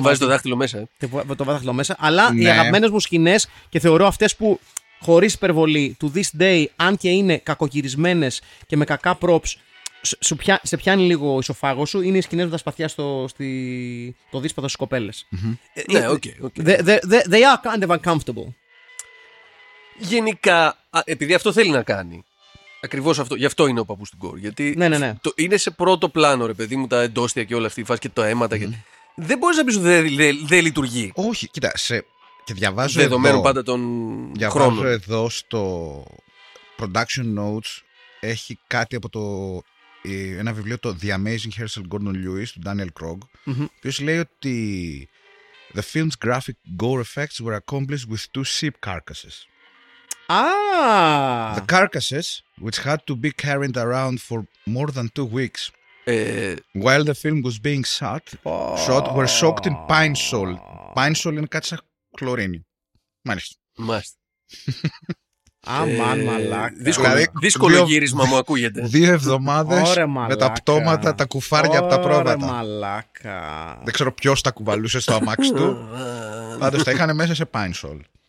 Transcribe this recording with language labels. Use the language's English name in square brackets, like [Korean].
[Greek] Βάζει το δάχτυλο μέσα. Το δάχτυλο μέσα. Αλλά ναι, οι αγαπημένες μου σκηνές και θεωρώ αυτές που χωρίς υπερβολή του This Day, αν και είναι κακοκυρισμένες και με κακά props, σε πιάνει λίγο ο ισοφάγο σου, είναι οι σκηνές με τα σπαθιά στο, στη... το δίσπαθο στις κοπέλες. Mm-hmm. Ναι, okay, okay. [English] They are kind of uncomfortable. [Greek] Γενικά, επειδή αυτό θέλει να κάνει. Ακριβώς αυτό. Γι' αυτό είναι ο παππούς του Γκορ. Γιατί ναι, ναι, ναι. Το, είναι σε πρώτο πλάνο, ρε παιδί μου, τα εντόστια και όλα αυτή η φάση και το αίματα. Mm. Και... δεν μπορείς να πεις ότι δεν λειτουργεί. Όχι, κοίτα. Σε... και διαβάζω δεδομένου εδώ, πάντα τον διαβάζω χρόνο. Διαβάζω εδώ στο Production Notes. Έχει κάτι από το... ένα βιβλίο, το The Amazing Herschel Gordon Lewis του Daniel Krog. Mm-hmm. Ποιος λέει ότι... [English] the film's graphic gore effects were accomplished with two sheep carcasses. Ah! The carcasses, which had to be carried around for more than 2 weeks while the film was being shot, were soaked in pine sol. [Greek] Pine sol είναι κάτι σαν χλωρίνη. Μάλιστα. Αμάν μαλάκα. Δύσκολο γύρισμα μου ακούγεται. Δύο εβδομάδες με τα πτώματα, τα κουφάρια από τα πρόβατα. Ωραία μαλάκα. Δεν ξέρω ποιος τα κουβαλούσε στο αμάξι του. Πάντως τα είχαν μέσα σε pine sol.